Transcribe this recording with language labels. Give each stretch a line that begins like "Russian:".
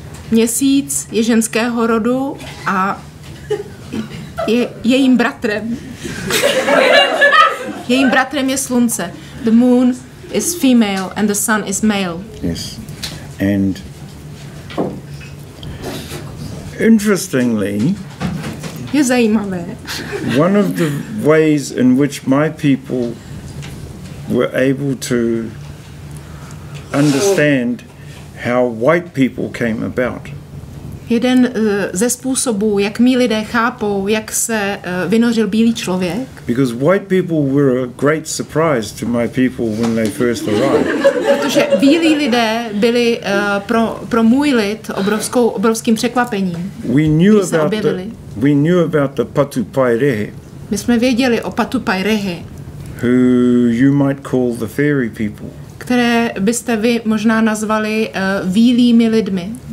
Czech: Měsíc je ženského rodu a je jejím bratrem. Jejím bratrem je slunce.
English: The moon is female and the sun is male. Yes. And interestingly,
Czech: je zajímavé.
English: One of the ways in which my people were able to understand how white people came about.
Czech: Jeden ze způsobů, jak mí lidé chápou, jak se vynořil bílý člověk.
English: Because white people were a great surprise to my people when they first arrived.
Czech: Protože bílí lidé byli pro můj lid obrovským překvapením.
English: We knew about the Patupairehe.
Czech: My jsme věděli o Patupairehe.
English: Who you might call the fairy people.
Czech: Které byste vy možná nazvali vílými lidmi.